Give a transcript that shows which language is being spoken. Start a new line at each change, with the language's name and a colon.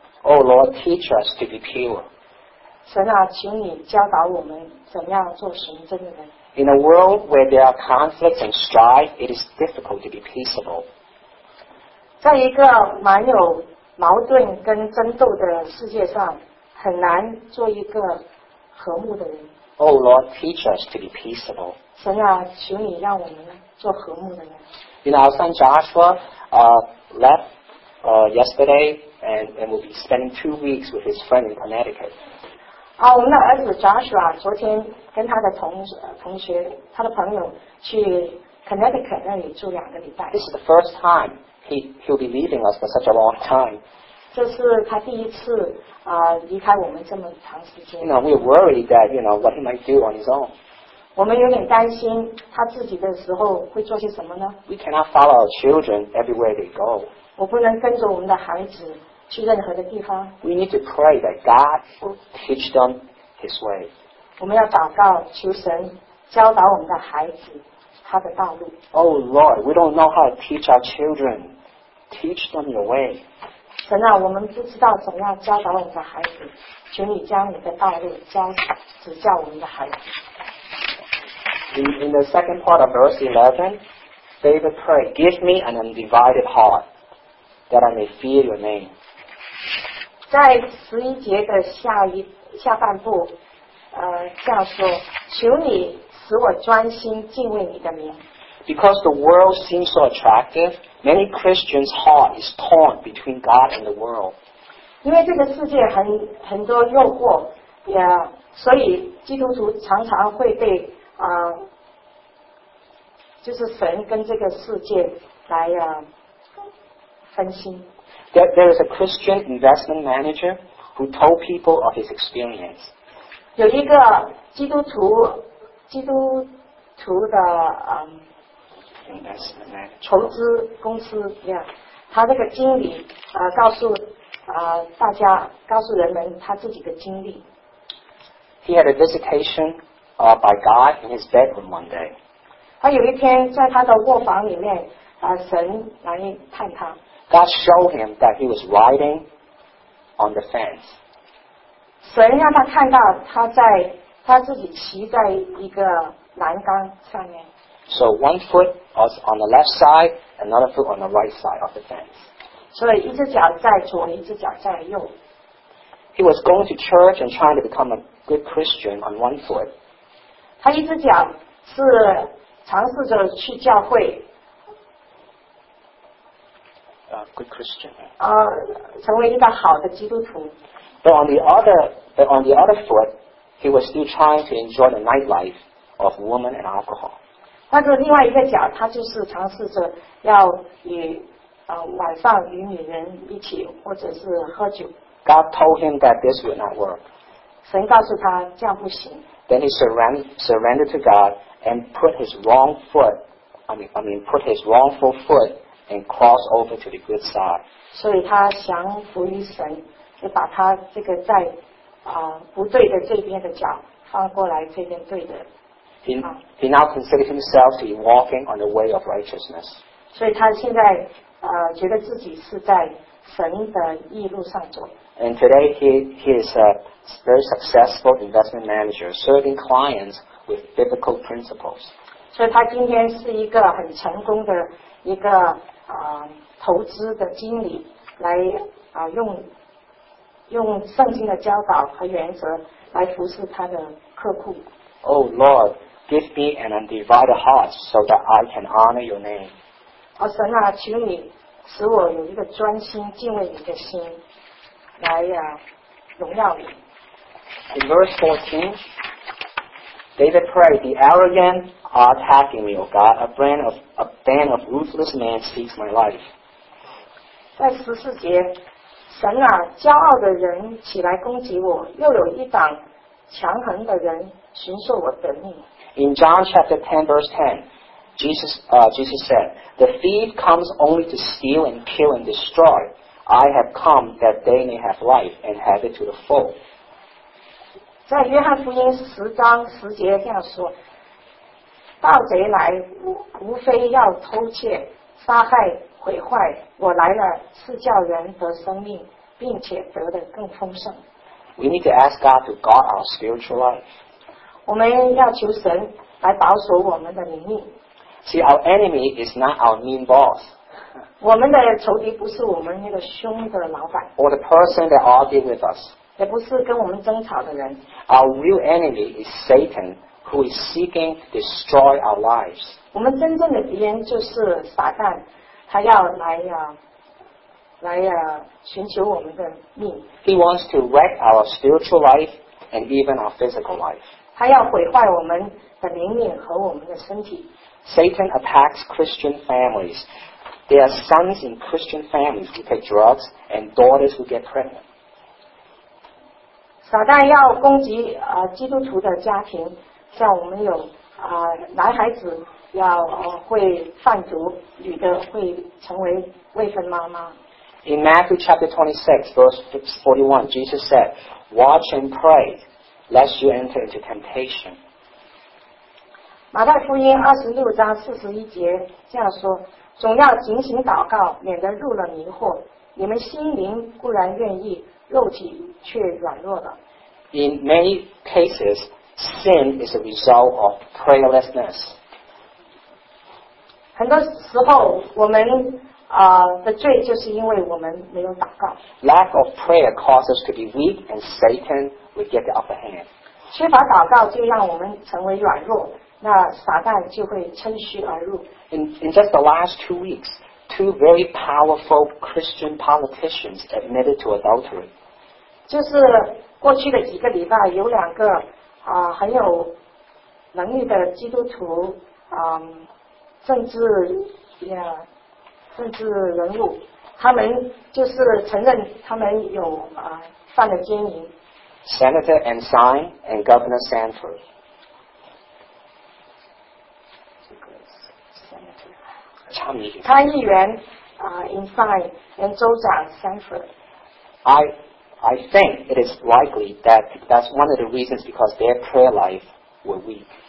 English: Oh Lord, teach us to be pure.
Chinese: 神啊，请你教导我们怎样做纯真的人。
English: In a world where there are conflicts and strife, it is difficult to be peaceable.
Chinese: 在一个蛮有矛盾跟争斗的世界上很难做一个和睦的人。
English: Oh Lord, teach us to be peaceable.
Chinese: 神啊，求你让我们做和睦的呢？
English: In our son Joshua, left yesterday and will be spending 2 weeks with his friend in Connecticut.
Chinese: 啊，我们的儿子 Joshua 昨天跟他的同学，他的朋友去 Connecticut 那里住两个礼拜。
English: This is the first time he'll be leaving us for such a long time.
Chinese: 这是他第一次啊离开我们这么长时间。
English: You know, we're worried that you know what he might do on his own.
Chinese: 我们有点担心他自己的时候会做些什么呢？
English: We cannot follow our children everywhere they go.
Chinese: 我不能跟着我们的孩子。去任何的地方。
English: We need to pray that God teach them His way.
Chinese: 我们要祷告，求神教导我们的孩子他的道路。
English: Oh Lord, we don't know how to teach our children. Teach them Your way.
Chinese: 神啊，我们不知道怎样教导我们的孩子，求你将你的道路指教我们的孩子。
English: In the second part of verse 11, David prayed, "Give me an undivided heart, that I may fear Your name."
Chinese: 在十一节的下半部，这样说：求你使我专心敬畏你的名。
English: Because the world seems so attractive, many Christians' heart is torn between God and the world.
Chinese: 因为这个世界很多诱惑，所以基督徒常常会被就是神跟这个世界来分心。
English: There is a Christian investment manager who told people of his experience.
Chinese: 有一个基督徒的
English: investment manager
Chinese: 投资公司 ，yeah， 他这个经理告诉人们他自己的经历。
English: He had a visitation by God in his bedroom one day.
Chinese: 他有一天在他的卧房里面神来探他。
English: God showed him that he was riding on the fence.
Chinese: 神让他看到他自己骑在一个栏杆上面。
English: So one foot was on the left side, another foot on the right side of the fence.
Chinese: 所以一只脚在左，一只脚在右。
English: He was going to church and trying to become a good Christian on one foot.
Chinese: 他一只脚是尝试着去教会。
English: Good Christian.
Chinese: 成为一个好的基督徒。
English: But on the other foot, he was still trying to enjoy the nightlife of women and alcohol.
Chinese: 但是另外一个脚，他就是尝试着要与晚上与女人一起，或者是喝酒。
English: God told him that this would not work.
Chinese: 神告诉他这样不行。
English: Then he surrendered to God and put his wrongful foot. And cross over to the good side.
Chinese: 所以他降服于神，就把他这个在不对的这边的脚放过来这边对的。
English: He now considered himself to be walking on the way of righteousness.
Chinese: 所以他现在觉得自己是在神的义路上走。
English: And today he is a very successful investment manager, serving clients with biblical principles.
Chinese: 所以他今天是一个很成功的一个。投资的经理来用圣经的教导和原则来服侍他的客户。
English: Oh Lord, give me an undivided heart so that I can honor Your name.
Chinese: 神啊，求你使我有一个专心敬畏你的心，来荣耀你。
English: In verse 14, David prayed, "The arrogant." Are attacking me, O God. A band of ruthless men seeks my life.
Chinese: 在十四节，神啊，骄傲的人起来攻击我，又有一党强横的人寻索我的命。
English: In John chapter 10, verse 10, Jesus said, "The thief comes only to steal and kill and destroy. I have come that they may have life and have it to the full."
Chinese: 在约翰福音十章十节这样说。盗贼来无非要偷窃杀害毁坏我来了是叫人得生命并且得得更丰盛
English: We need to ask God to guard our spiritual life
Chinese: 我们要求神来保守我们的灵命
English: See our enemy is not our mean boss
Chinese: 我们的仇敌不是我们那个凶的老板
English: Or the person that argue with us
Chinese: 也不是跟我们争吵的人
English: Our real enemy is Satan who is seeking to destroy our lives.
Chinese: 我们真正的敌人就是撒旦，他要来呀、啊，来呀、啊，寻求我们的命。
English: He wants to wreck our spiritual life and even our physical life.
Chinese: 他要毁坏我们的灵命和我们的身体。
English: Satan attacks Christian families. There are sons in Christian families who take drugs and daughters who get pregnant.
Chinese: 撒旦要攻击、基督徒的家庭，像我们有、男孩子要、会贩毒，女的会成为未婚妈妈。
English: In Matthew chapter 26, verse 41, Jesus said, Watch and pray, lest you enter into temptation.
Chinese: 马太福音26章41节这样说，总要警醒祷告，免得入了迷惑。你们心灵固然愿意，肉体却软弱的。
English: In many cases, sin is a result of prayerlessness.
Chinese: 很多时候我们的罪就是因为我们没有祷告。
English: Lack of prayer causes us to be weak and Satan will get the upper hand.
Chinese: 缺乏祷告就让我们成为软弱，那撒旦就会趁虚而入。
English: In just the last 2 weeks, two very powerful Christian politicians admitted to adultery.
Chinese: 就是过去的几个礼拜有两个、很有能力的基督徒、政治人物，他们就是承认他们有、犯了奸淫。
English: Senator Ensign and Governor Sanford. Senator.
Chinese: 参议员 Ensign and 州长 Sanford.
English: I think it is likely that that's one of the reasons because their prayer life were weak.